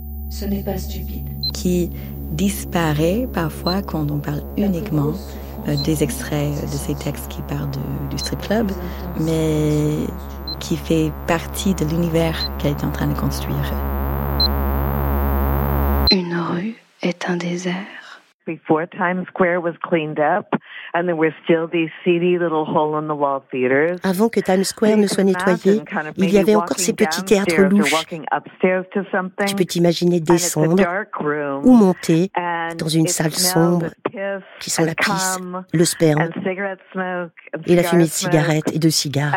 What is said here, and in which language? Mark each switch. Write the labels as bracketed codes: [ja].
[fr] Ce n'est pas stupide. Qui disparaît parfois quand on parle uniquement des extraits de ces textes qui parlent du strip club, mais qui fait partie de l'univers qu'elle est en train de construire. Une rue est un désert. [en] Before Times Square was cleaned up, and there were still these seedy little hole-in-the-wall theaters. [fr] Avant que Times Square ne soit nettoyé, il y avait encore ces petits théâtres louches. Tu peux t'imaginer descendre ou monter dans une salle sombre qui sent la pisse, le sperme et la fumée de cigarettes et de cigares.